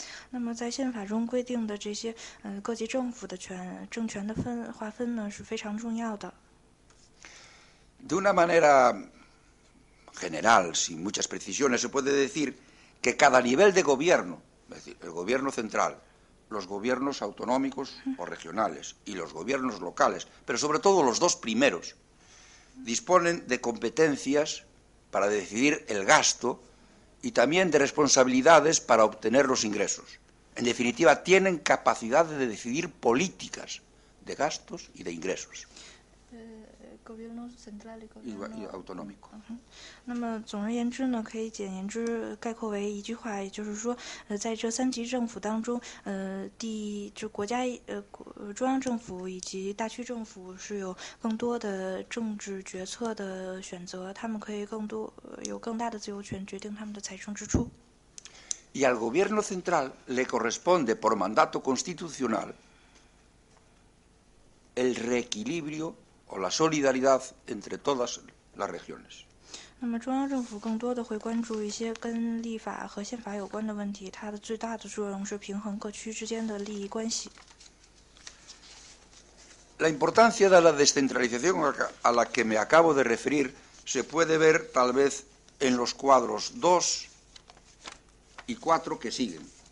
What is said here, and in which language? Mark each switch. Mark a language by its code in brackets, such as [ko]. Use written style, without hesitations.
[zh] 那么在宪法中规定的这些各级政府的权政权的分划分呢是非常重要的。 [es] De una manera general, sin muchas precisiones, se puede decir que cada nivel de gobierno, es decir, el gobierno central,los gobiernos autonómicos o regionales y los gobiernos locales, pero sobre todo los dos primeros, disponen de competencias para decidir el gasto y también de responsabilidades para obtener los ingresos. En definitiva, tienen capacidad de decidir políticas de gastos y de ingresos. Gobierno central y gobierno autonómico. [zh] 那么总而言之呢，可以简言之概括为一句话，也就是说，在这三级政府当中，就国家中央政府以及大区政府是有更多的政治决策的选择，他们可以有更大的自由权决定他们的财政支出。 [es] Y al gobierno central le corresponde por mandato constitucional el reequilibrio. O la solidaridad entre todas las regiones. [zh] 那么中央政府更多的会关注一些跟立法和宪法有关的问题，它的最大的作用是平衡各区之间的利益关系。 [es] La importancia de la descentralización a la que me acabo de referir se puede ver tal vez en los cuadros 2 y 4 que siguen.